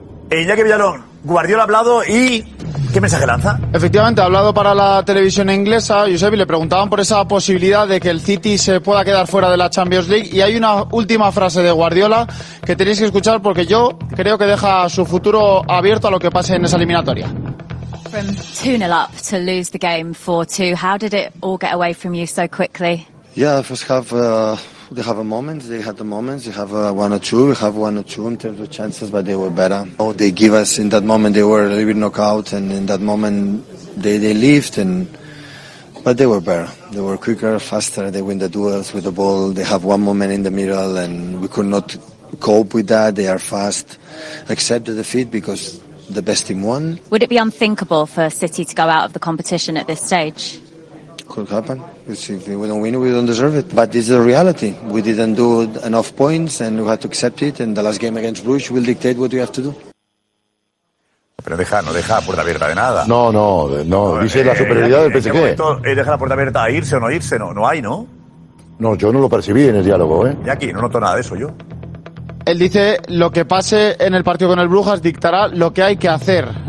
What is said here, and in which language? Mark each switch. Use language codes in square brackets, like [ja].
[es] Iñaki Villalón, Guardiola ha hablado y ¿qué mensaje lanza? Efectivamente, ha hablado para la televisión inglesa, Josep, y le preguntaban por esa posibilidad de que el City se pueda quedar fuera de la Champions League. Y hay una última frase de Guardiola que tenéis que escuchar porque yo creo que deja su futuro abierto a lo que pase en esa eliminatoria. [en] From 2-0 up to lose the game 4-2, how did it all get away from you so quickly? Yeah, the first half, they have a moment, they had the moments, they have one or two in terms of chances, but they were better. Oh, they give us, in that moment, they were a little bit knocked out, and in that moment, they lived, but they were better. They were quicker, faster, they win the duels with the ball, they have one moment in the middle, and we could not cope with that, they are fast, accept the defeat, because the best team won. Would it be unthinkable for City to go out of the competition at this stage? Could happen. If we don't win, we don't deserve it. But this is the reality. We didn't do enough points and we had to accept it. And the last game against Bruges will dictate what we have to do. [es] Pero no deja la puerta abierta de nada. No. Dice la superioridad del PSG. Deja la puerta abierta a irse o no irse. No hay. No, yo no lo percibí en el diálogo. Y aquí no noto nada de eso yo. Él dice, lo que pase en el partido con el Brujas dictará lo que hay que hacer.